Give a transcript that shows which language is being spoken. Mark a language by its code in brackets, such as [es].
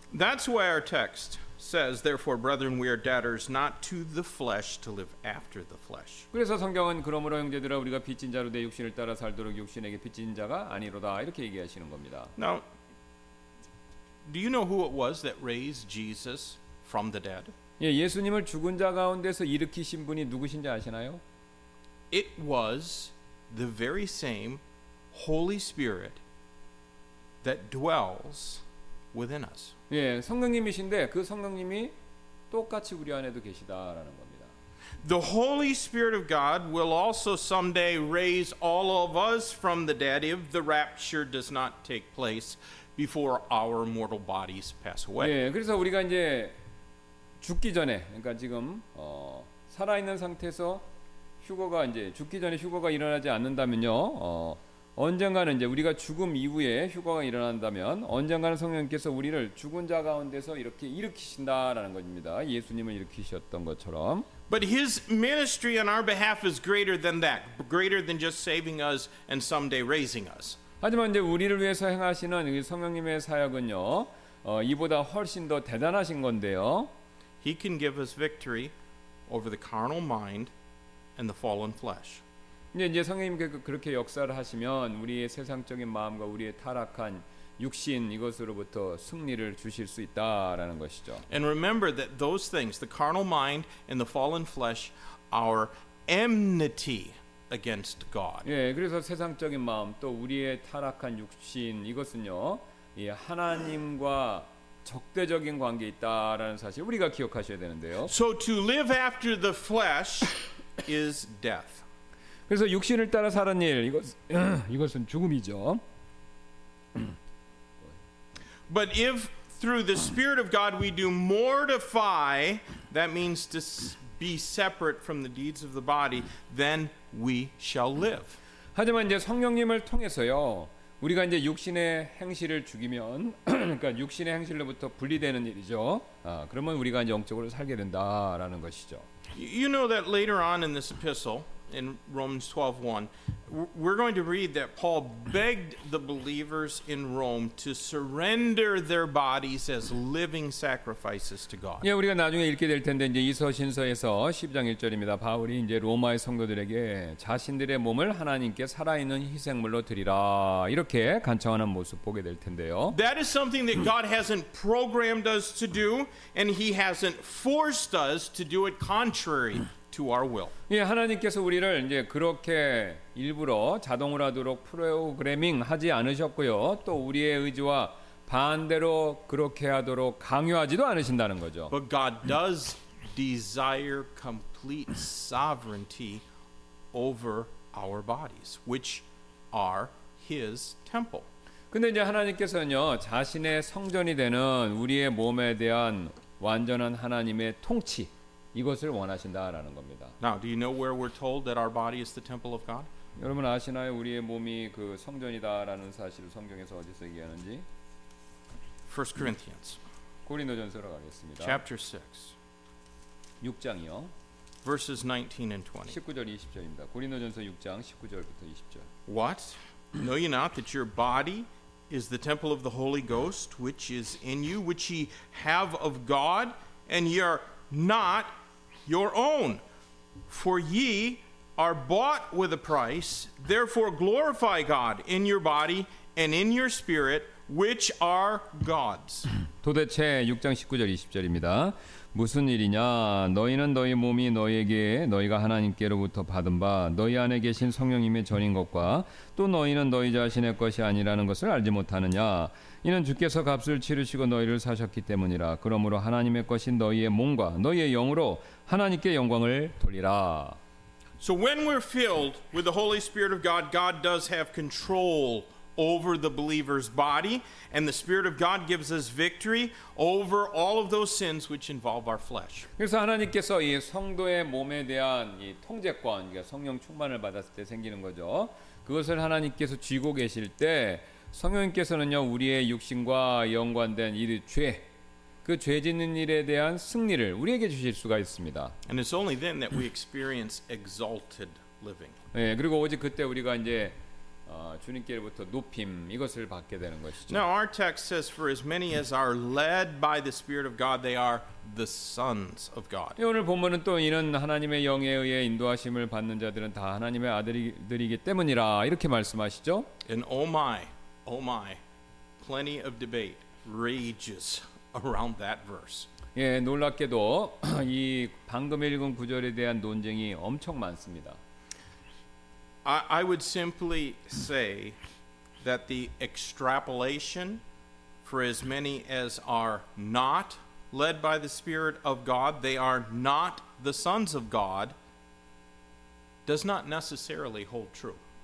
[en] That's why our text says, therefore, brethren, we are debtors not to the flesh to live after the flesh. [ko] 그래서 성경은 그러므로 형제들아 우리가 빚진 자로 내 육신을 따라 살도록 육신에게 빚진 자가 아니로다 이렇게 얘기하시는 겁니다. [en] Now, do you know who it was that raised Jesus from the dead? [ko] 예, 예수님을 죽은 자 가운데서 일으키신 분이 누구신지 아시나요? [en] It was the very same Holy Spirit that dwells within us. [ko] 예, 성령님이신데 그 성령님이 똑같이 우리 안에도 계시다라는 겁니다. [en] The Holy Spirit of God will also someday raise all of us from the dead if the rapture does not take place before our mortal bodies pass away. [ko] 예, 그래서 우리가 이제 죽기 전에, 그러니까 지금 살아 있는 상태에서 휴거가 이제 죽기 전에 휴거가 일어나지 않는다면요. 언젠가는 이제 우리가 죽음 이후에 휴거가 일어난다면 언젠가는 성령께서 우리를 죽은 자 가운데서 이렇게 일으키신다라는 것입니다. 예수님을 일으키셨던 것처럼. [en] But his ministry on our behalf is greater than that. Greater than just saving us and someday raising us. [ko] 하지만 이제 우리를 위해서 행하시는 성령님의 사역은요. 이보다 훨씬 더 대단하신 건데요. [en] He can give us victory over the carnal mind and the fallen flesh. [ko] 네, 이제 성령님께서 그렇게 역사를 하시면 우리의 세상적인 마음과 우리의 타락한 육신 이것으로부터 승리를 주실 수 있다라는 것이죠. [en] And remember that those things, the carnal mind and the fallen flesh, are enmity against God. [ko] 예, 그래서 세상적인 마음 또 우리의 타락한 육신 이것은요, 이 하나님과 적대적인 관계 있다라는 사실 우리가 기억하셔야 되는데요. [en] So to live after the flesh is death. [ko] 그래서 육신을 따라 사는 일 이것은 죽음이죠. [en] But if through the Spirit of God we do mortify, that means to be separate from the deeds of the body, then we shall live. [ko] 하지만 이제 성령님을 통해서요, 우리가 이제 육신의 행실을 죽이면 그러니까 육신의 행실로부터 분리되는 일이죠. 그러면 우리가 이제 영적으로 살게 된다라는 것이죠. [en] You know that later on in this epistle in Romans 12:1 we're going to read that Paul begged the believers in Rome to surrender their bodies as living sacrifices to God. [ko] 예, 우리가 나중에 읽게 될 텐데 이제 이서신서에서 10장 1절입니다. 바울이 이제 로마의 성도들에게 자신들의 몸을 하나님께 살아있는 희생물로 드리라. 이렇게 간청하는 모습 보게 될 텐데요. [en] That is something that God hasn't programmed us to do and he hasn't forced us to do it contrary to our will. [ko] 예, 하나님께서 우리를 이제 그렇게 일부러 자동으로 하도록 프로그래밍 하지 않으셨고요. 또 우리의 의지와 반대로 그렇게 하도록 강요하지도 않으신다는 거죠. [en] But God does desire complete sovereignty over our bodies, which are his temple. [ko] 근데 이제 하나님께서는요, 자신의 성전이 되는 우리의 몸에 대한 완전한 하나님의 통치 이것을 원하신다라는 겁니다. [en] Now, do you know where we're told that our body is the temple of God? [ko] 여러분 아시나요? 우리의 몸이 그 성전이다라는 사실을 성경에서 어디서 얘기하는지? [en] 1 Corinthians. [ko] 고린도전서로 가겠습니다. [en] Chapter 6. [ko] 6장이요. [en] Verses 19 and 20. [ko] 19절 20절입니다. 고린도전서 6장 19절부터 20절. [en] What? Know you not that your body is the temple of the Holy Ghost which is in you which ye have of God and ye are not your own, for ye are bought with a price. Therefore glorify God in your body and in your spirit, which are God's. [ko] 도대체 6장 19절 20절입니다. 무슨 일이냐? 너희는 너희 몸이 너희에게 너희가 하나님께로부터 받은 바 너희 안에 계신 성령님의 전인 것과 또 너희는 너희 자신의 것이 아니라는 것을 알지 못하느냐? 이는 주께서 값을 치르시고 너희를 사셨기 때문이라. 그러므로 하나님의 것인 너희의 몸과 너희의 영으로 하나님께 영광을 돌리라. [en] So when we're filled with the Holy Spirit of God, God does have control over the believer's body, and the Spirit of God gives us victory over all of those sins which involve our flesh. [ko] 그래서 하나님께서 이 성도의 몸에 대한 이 통제권, 그러니까 성령 충만을 받았을 때 생기는 거죠. 그것을 하나님께서 쥐고 계실 때 성령께서는요 우리의 육신과 연관된 이 죄, 그 죄 짓는 일에 대한 승리를 우리에게 주실 수가 있습니다. [en] And it's only then that we experience exalted living. [ko] 네, 그리고 오직 그때 우리가 이제 주님께로부터 높임 이것을 받게 되는 것이죠. [en] Now our text says, "For as many as are led by the Spirit of God, they are the sons of God." [ko] 네, 오늘 본문은 또 이는 하나님의 영에 의해 인도하심을 받는 자들은 다 하나님의 아들들이기 때문이라 이렇게 말씀하시죠. [en] And oh my. Oh my, plenty of debate rages around that verse. [ko] 예, 놀랍게도 이 방금 읽은 구절에 대한 논쟁이 엄청 많습니다. [en] I would simply say that the extrapolation for as many as are not led by the Spirit of God, they are not the sons of God, does not necessarily hold true.